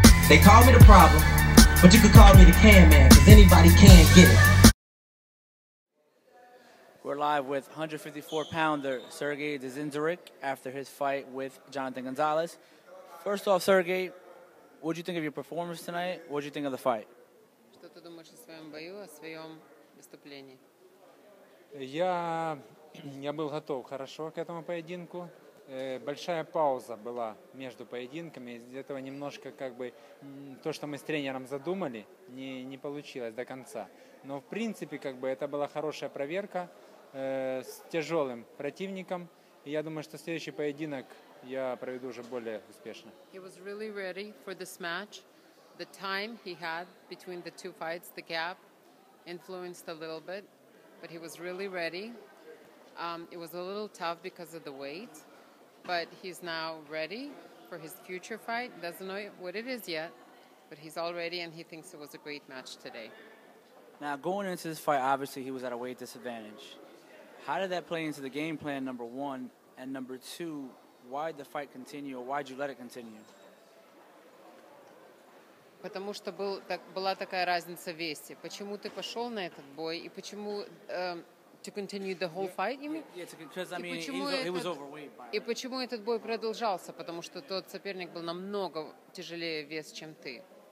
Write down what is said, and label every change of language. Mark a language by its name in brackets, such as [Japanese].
[English] They call me the problem, but you could call me the can man, because anybody can get it. We're live with 154-pounder Sergiy Dzinziruk after his fight with Jonathan Gonzalez. First off, Sergiy, what did you think of your performance tonight? What did you think of the fight? [Russian] Что ты думаешь о своем бою, о своем выступлении? Я был готов хорошо к этому поединку. Большая пауза была между поединками. Из-за этого немножко как бы то, что мы с тренером задумали, не получилось до конца. Но в принципе как бы это была хорошая проверка с тяжелым противником. И я думаю, что следующий поединок я проведу уже более успешно. [English] He was really ready for this match. The time he had between the two fights, the gap, influenced a little bit. But he was really ready. It was a little tough because of the weight. But he's now ready for his future fight. Doesn't know what it is yet, but he's all ready and he thinks it was a great match today. Now, going into this fight, obviously he was at a weight disadvantage. How did that play into the game plan, number one? And number two, why did the fight continue, or why did you let it continue? [Russian] Потому что была такая разница в весе. Почему ты пошел на этот бой? И почему... [English] To continue the whole fight, you mean? Yeah, because he was overweight. [Russian] И почему этот бой продолжался? Потому что тот соперник был намного тяжелее вес, чем ты.